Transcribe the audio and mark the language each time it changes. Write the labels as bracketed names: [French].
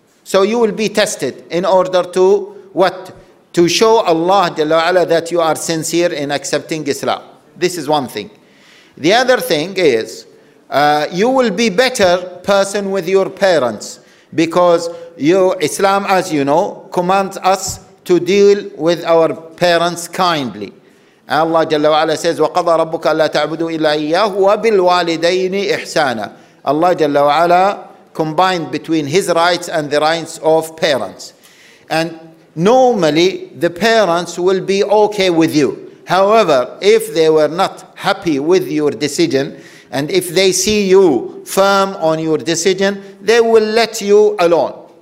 [English] So you will be tested in order to what? To show Allah Jalla wa Ala that you are sincere in accepting Islam. This is one thing. The other thing is, you will be better person with your parents, because Islam, as you know, commands us to deal with our parents kindly. Allah Jalla wa Ala says, [Arabic] وَقَضَى رَبُّكَ أَلَّا تَعْبُدُوا إِلَّا إِيَّاهُ وَبِالْوَالِدَيْنِ إِحْسَانًا. [English] Allah Jalla wa Ala combined between his rights and the rights of parents. And normally, the parents will be okay with you. However, if they were not happy with your decision, and if they see you firm on your decision, they will let you alone.